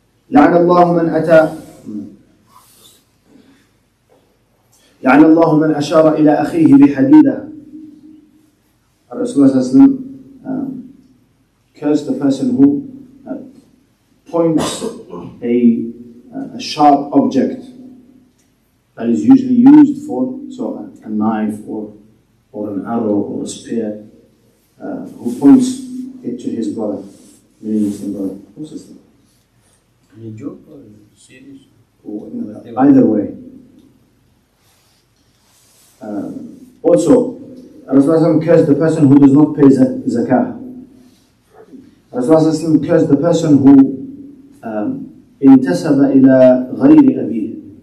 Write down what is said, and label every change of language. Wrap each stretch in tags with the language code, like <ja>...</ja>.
<ar>لعن الله من أتى لعن الله من أشار إلى أخيه بحديدة. الرسول صلى الله عليه وسلم</ar> <en>cursed the person who points a sharp object that is usually used for, so a knife or an arrow or a spear, who points it to his brother, meaning his brother or sister. Any joke or serious? Either way. Also, Rasulullah cursed the person who does not pay zakah. Rasulullah cursed the person who</en> <ar>انتسب إلى غير أبيه.</ar>